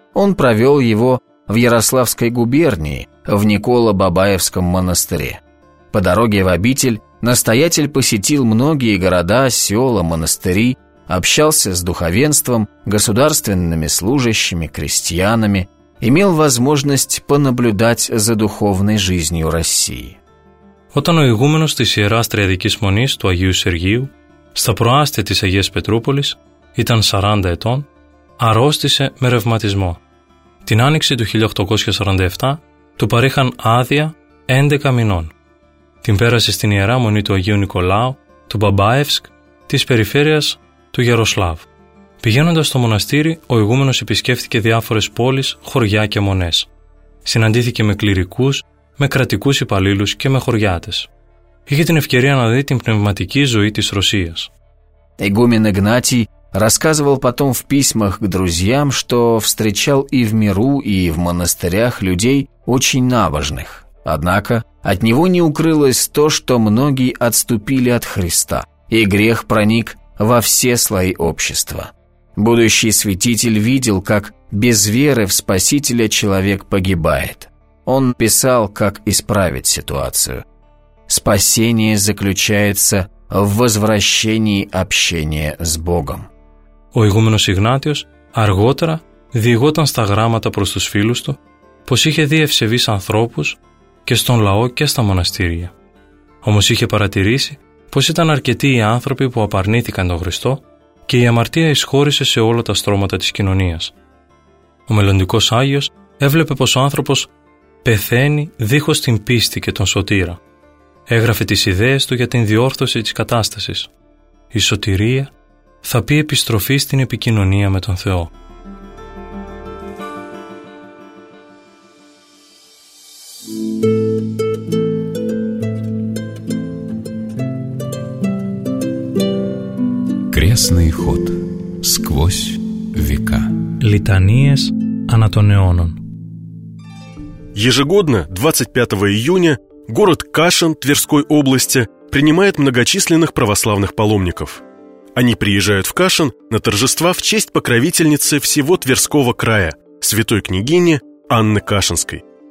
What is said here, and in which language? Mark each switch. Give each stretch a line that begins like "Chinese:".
Russian: Он провел его в Ярославской губернии, в Николо-Бабаевском монастыре. По дороге в обитель настоятель посетил многие города, села, монастыри, общался с духовенством, государственными служащими, крестьянами, имел возможность понаблюдать за духовной жизнью России.
Greek: Όταν ο ηγούμενος της Ιεράς Τριαδικής Μονής του Αγίου Σεργίου, στα προάστια της Αγίας Πετρούπολης, ήταν 40 ετών, αρρώστησε με ρευματισμό. Την άνοιξη του 1847 του παρήχαν άδεια 11 μηνών. Την πέρασε στην Ιερά Μονή του Αγίου Νικολάου, του Μπαμπάευσκ, της περιφέρειας του Γεροσλάβ. Πηγαίνοντας στο μοναστήρι, ο ηγούμενος επισκέφθηκε διάφορες πόλεις, χωριά και μονές. Συναντήθηκε με κληρικούς, με κρατικούς υπαλλήλους και με χωριάτες. Είχε την ευκαιρία να δει την πνευματική ζωή της Ρωσίας.
Russian: Игумен Игнатий рассказывал потом в письмах к друзьям, что встречал и в миру, и в монастырях людей очень набожных. Однако от него не укрылось то, что многие отступили от Христа, и грех проник во все слои общества. Будущий святитель видел, как без веры в Спасителя человек погибает. Он писал, как исправить ситуацию. Спасение заключается в возвращении общения с Богом.
Greek: Ο ηγούμενος Ιγνάτιος αργότερα διηγόταν στα γράμματα προς τους φίλους του πως είχε δει ευσεβείς ανθρώπους και στον λαό και στα μοναστήρια. Όμως είχε παρατηρήσει πως ήταν αρκετοί οι άνθρωποι που απαρνήθηκαν τον Χριστό και η αμαρτία εισχώρησε σε όλα τα στρώματα της κοινωνίας. Ο μελλοντικός Άγιος έβλεπε πως ο άνθρωπος πεθαίνει δίχως την πίστη και τον σωτήρα. Έγραφε τις ιδέες του για την διόρθωση της κατάστασης. Η σωτηρία θα πει επιστροφή στην επικοινωνία με τον Θεό.
Russian: Крестный ход сквозь века.
Greek: Литанίες ανά των αιώνων.
Russian: Ежегодно 25 июня город Кашин Тверской области принимает многочисленных православных паломников. Они приезжают в Кашин на торжества в честь покровительницы всего Тверского края, святой княгини Анны Кашинской.